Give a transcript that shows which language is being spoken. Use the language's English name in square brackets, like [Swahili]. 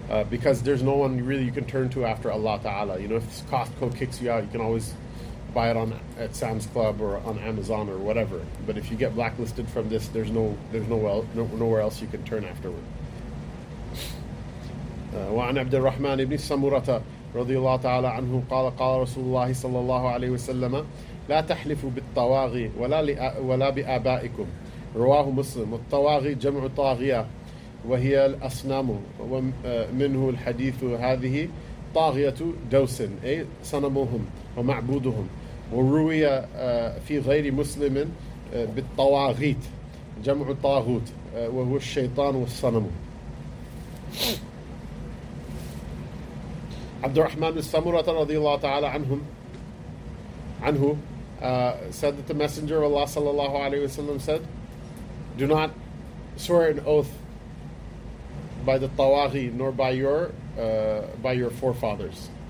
[English] Because there's no one really you can turn to after Allah ta'ala. You know, if Costco kicks you out, you can always buy it at Sam's Club or on Amazon or whatever. But if you get blacklisted from this, there's nowhere else you can turn afterward. [Arabic] وعن عبد الرحمن بن سمرة رضي الله تعالى عنه قال قال رسول الله صلى الله عليه وسلم لا تحلفوا بالطواغي ولا بآبائكم رواه مسلم. الطواغي جمع طاغية وهي الأصنام ومنه الحديث هذه طاغية دوس أي صنمهم ومعبودهم وروي في غير مسلم بالطواغيت جمع طاغوت وهو الشيطان والصنم. [English] Abdurrahman al-Samurata radiallahu ta'ala anhu said that the Messenger of Allah sallallahu alayhi wa sallam said, do not swear an oath by the tawaghi nor by your forefathers.